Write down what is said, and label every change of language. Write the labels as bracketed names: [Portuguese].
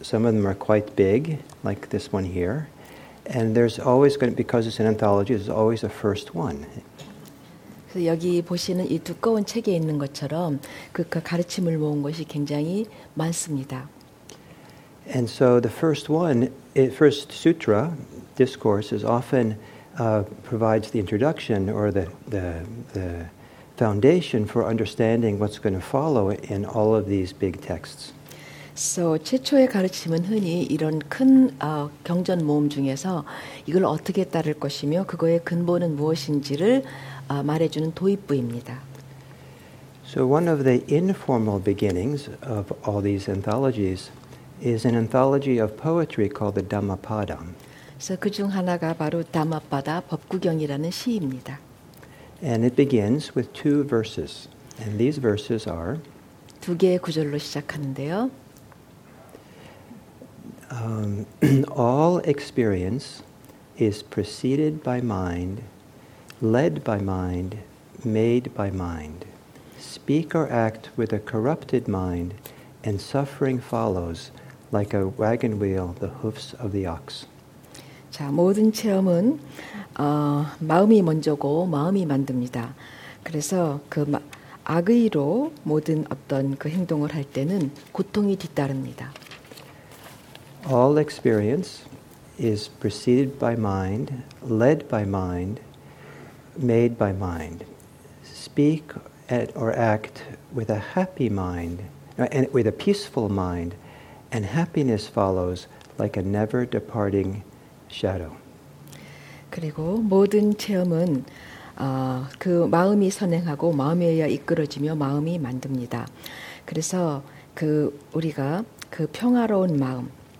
[English] Some of them are quite big, like this one here. And there's always going to, because it's an anthology, there's always a first one. [Korean] 그래서 여기 보시는 이 두꺼운 책에 있는 것처럼 그 가르침을 모은 것이 굉장히 많습니다. [English] And so the first one, first sutra, discourse, is often provides the introduction or the foundation for understanding what's going to follow in all of these big texts. [Korean] So 최초의 가르침은 흔히 이런 큰 경전 모음 중에서 이걸 어떻게 따를 것이며 그거의 근본은 무엇인지를 말해주는 도입부입니다. [English] So one of the informal beginnings of all these anthologies is an anthology of poetry called the Dhammapada. [Korean] So 그중 하나가 바로 Dhammapada 법구경이라는 시입니다. [English] And it begins with two verses. And these verses are [Korean] 두 개의 구절로 시작하는데요. [English] All experience is preceded by mind, led by mind, made by mind. Speak or act with a corrupted mind, and suffering follows like a wagon wheel the hoofs of the ox. [Korean] 자, 모든 체험은 마음이 먼저고 마음이 만듭니다. 그래서 그 악의로 모든 어떤 그 행동을 할 때는 고통이 뒤따릅니다. [English] All experience is preceded by mind, led by mind, made by mind. Speak or act with a happy mind, and with a peaceful mind, and happiness follows like a never departing shadow. [Korean] 그리고 모든 체험은 그 마음이 선행하고 마음에 의해 이끌어지며 마음이 만듭니다. 그래서 그 우리가 그 평화로운 마음